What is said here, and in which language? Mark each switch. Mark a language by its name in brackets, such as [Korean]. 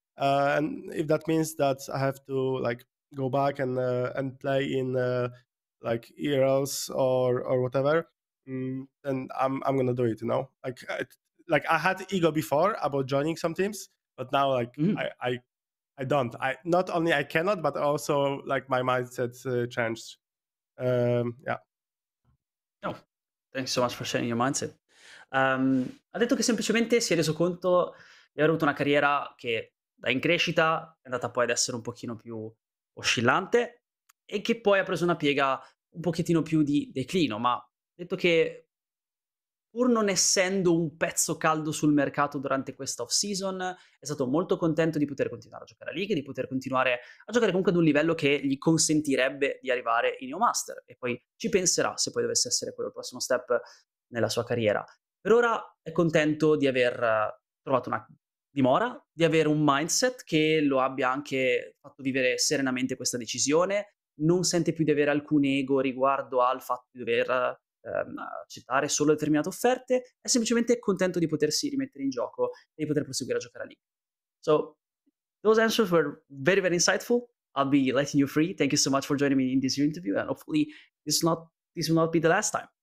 [English] And if that means that I have to like go back and play in like ERLs or whatever, then I'm gonna do it. You know, like I had ego before about joining some teams, but now like I don't. I not only I cannot, but also like my mindset changed. No. Thanks so much for sharing your mindset. [Italian] Ha detto che semplicemente si è reso conto di aver avuto una carriera che da in crescita è andata poi ad essere un pochino più oscillante e che poi ha preso una piega un pochettino più di declino, ma ha detto che pur non essendo un pezzo caldo sul mercato durante questa off-season è stato molto contento di poter continuare a giocare a League, di poter continuare a giocare comunque ad un livello che gli consentirebbe di arrivare in EU Master, e poi ci penserà se poi dovesse essere quello il prossimo step nella sua carriera. Per ora è contento di aver trovato una dimora, di avere un mindset che lo abbia anche fatto vivere serenamente questa decisione, non sente più di avere alcun ego riguardo al fatto di dover accettare solo determinate offerte, è semplicemente contento di potersi rimettere in gioco e di poter proseguire a giocare lì. [English] So, those answers were very, very insightful. I'll be letting you free. Thank you so much for joining me in this interview, and hopefully this will not be the last time.